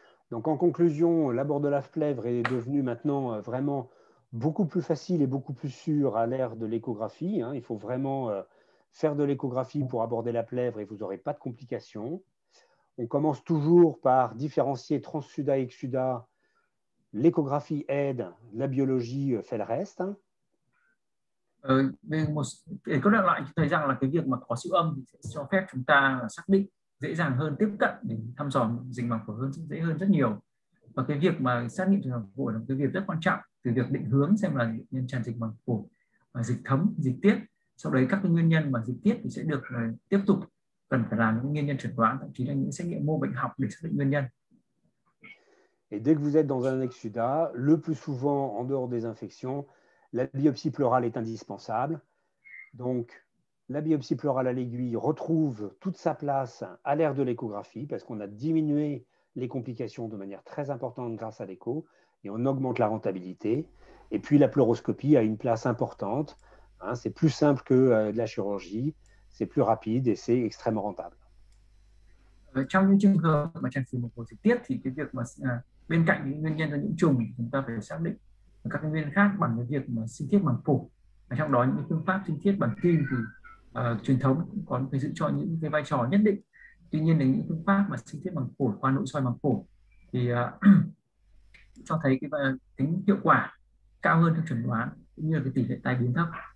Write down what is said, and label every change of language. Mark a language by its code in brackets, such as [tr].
[fr] Donc, en conclusion, l'abord de la plèvre est devenu maintenant vraiment beaucoup plus facile et beaucoup plus sûr à l'ère de l'échographie. Il faut vraiment faire de l'échographie pour aborder la plèvre et vous n'aurez pas de complications. On commence toujours par différencier transsuda et exsuda. L'échographie aide, la biologie fait le reste. [vi] Để có lại chúng thấy rằng là cái việc mà có siêu âm thì sẽ cho phép chúng ta xác định dễ dàng hơn, tiếp cận để thăm dò dịch màng phổi hơn, dễ hơn rất nhiều. Và cái việc mà xác định dịch màng phổi là một cái việc rất quan trọng, từ việc định hướng xem là nhân tràn dịch màng phổi và dịch thấm, dịch tiết, sau đấy các cái nguyên nhân mà dịch tiết thì sẽ được tiếp tục cần phải làm những nguyên nhân chẩn đoán, thậm chí là những xét nghiệm mô bệnh học để xác định nguyên nhân. [fr] Et dès que vous êtes dans un exsuda, le plus souvent en dehors des infections, la biopsie pleurale est indispensable. Donc, la biopsie pleurale à l'aiguille retrouve toute sa place à l'ère de l'échographie, parce qu'on a diminué les complications de manière très importante grâce à l'écho, et on augmente la rentabilité. Et puis, la pleuroscopie a une place importante. Hein, c'est plus simple que de la chirurgie, c'est plus rapide et c'est extrêmement rentable. [vi] Trong những trường hợp mà tràn dịch màng phổi trực tiếp thì cái việc mà bên cạnh những nguyên nhân cho nhiễm trùng chúng ta phải xác định các nguyên nhân khác bằng cái việc mà sinh thiết màng phổi và trong đó những phương pháp sinh thiết bằng kim thì truyền thống có cái sự cho những cái vai trò nhất định. Tuy nhiên là những phương pháp mà sinh thiết bằng phổi qua nội soi màng phổi thì cho thấy cái tính hiệu quả cao hơn trong chẩn đoán cũng như là cái tỷ lệ tai biến thấp.